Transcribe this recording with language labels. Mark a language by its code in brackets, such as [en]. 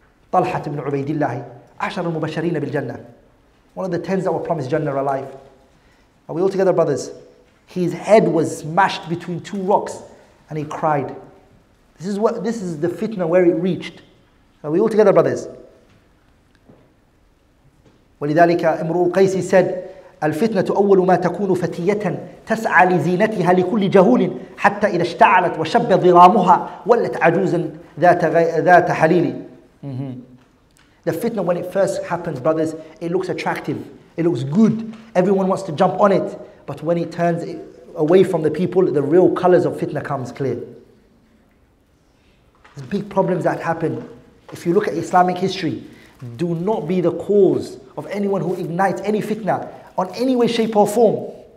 [en] Talha ibn Ubaidillah, Ashar al-Mubashareen bil Jannah. One of the 10 that were promised Jannah alive. Are we all together, brothers? His head was smashed between two rocks and he cried. This is the fitna where it reached. Are we all together, brothers? [ar] ولذلك امرؤ القيس [en] said, [ar] الفتنة أول ما تكون فتية تسعى لزينتها لكل جهول حتى إذا اشتعلت وشب ظلامها ولت عجوزا ذات حليل. [en] The fitna, when it first happens, brothers, it looks attractive. It looks good. Everyone wants to jump on it. But when it turns away from the people, the real colors of fitna comes clear. There's big problems that happen. If you look at Islamic history, do not be the cause of anyone who ignites any fitna on any way, shape or form.